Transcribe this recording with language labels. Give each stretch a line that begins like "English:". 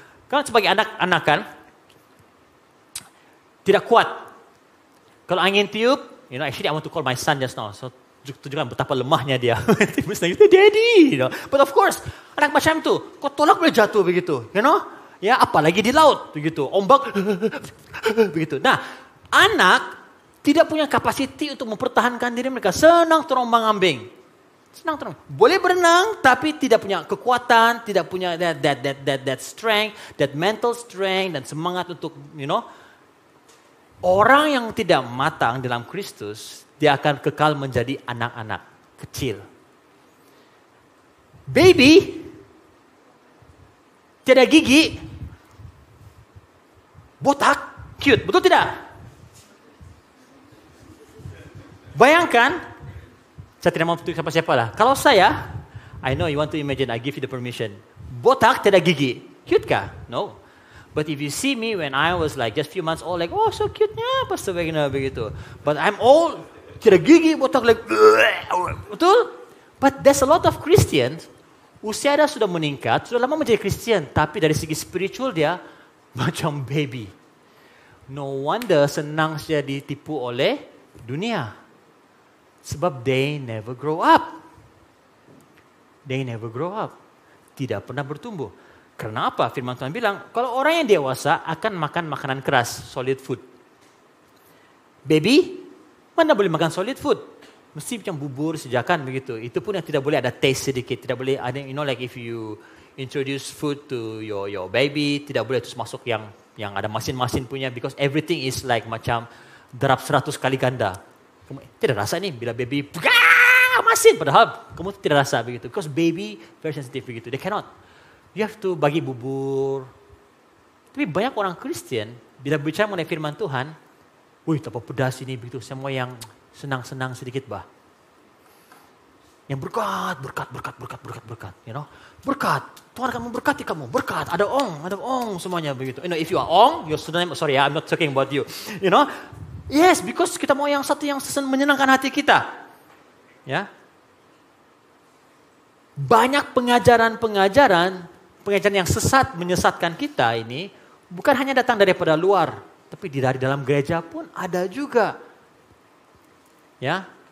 Malay: Kalau sebagai anak-anak kan, tidak kuat. Kalau angin tiup,
English: you know, actually I want to call my son just now.
Malay: So, tunjukkan betapa lemahnya dia. Tiba-tiba senang, daddy, you know.
English: But of course,
Malay: anak macam itu, kok tolak boleh jatuh begitu, you know? Ya, apalagi di laut, begitu. Ombak, begitu. Nah, anak tidak punya kapasiti untuk mempertahankan diri mereka. Senang terombang ambing. Senang terombang. Boleh berenang, tapi tidak punya kekuatan, tidak punya
English: that strength, that mental strength,
Malay: dan semangat untuk, you know. Orang yang tidak matang dalam Kristus, dia akan kekal menjadi anak-anak kecil. Baby tiada gigi, botak, cute, betul tidak? Bayangkan, saya tidak mau tunjuk sama siapa lah.
English: Kalau saya, I know you want to imagine, I give you the permission.
Malay: Botak tiada gigi, cute kah?
English: No. But if you see me when I was like just few months old, like oh so cute nya Pastor Wagner begitu. But I'm old,
Malay: tiada gigi, botak
English: like betul? But there's a lot of Christians.
Malay: Usia dia sudah meningkat, sudah lama menjadi Kristian, tapi dari segi spiritual dia macam baby. No wonder senang saja ditipu oleh dunia.
English: Sebab they never grow up. They never grow up.
Malay: Tidak pernah bertumbuh. Karena apa? Firman Tuhan bilang, kalau orang yang dewasa akan makan makanan keras, solid food. Baby, mana boleh makan solid food? Mesti macam bubur sejakan begitu. Itu pun yang tidak boleh ada taste sedikit. Tidak boleh ada, you know, like
English: if you introduce food to your baby,
Malay: tidak boleh terus masuk yang ada masin-masin punya,
English: because everything is like
Malay: macam derap 100 kali ganda. Kamu tidak rasa ini bila baby masin, padahal kamu tidak rasa begitu. Because baby very sensitive begitu.
English: They cannot. You have to
Malay: bagi bubur. Tapi banyak orang Kristen, bila bicara mengenai firman Tuhan, wih, tak apa pedas ini, begitu. Semua yang senang-senang sedikit, bah. Yang berkat, berkat, berkat, berkat, berkat, berkat. You know? Berkat. Tuhan akan memberkati kamu. Berkat. Ada ong semuanya begitu.
English: You know, if you are ong, your surname, sorry, I'm not talking about you.
Malay: You know? Yes, because kita mau yang satu yang menyenangkan hati kita. Ya? Yeah? Banyak pengajaran-pengajaran, pengajaran yang sesat, menyesatkan kita ini, bukan hanya datang daripada luar, tapi dari dalam gereja pun ada juga. Ya?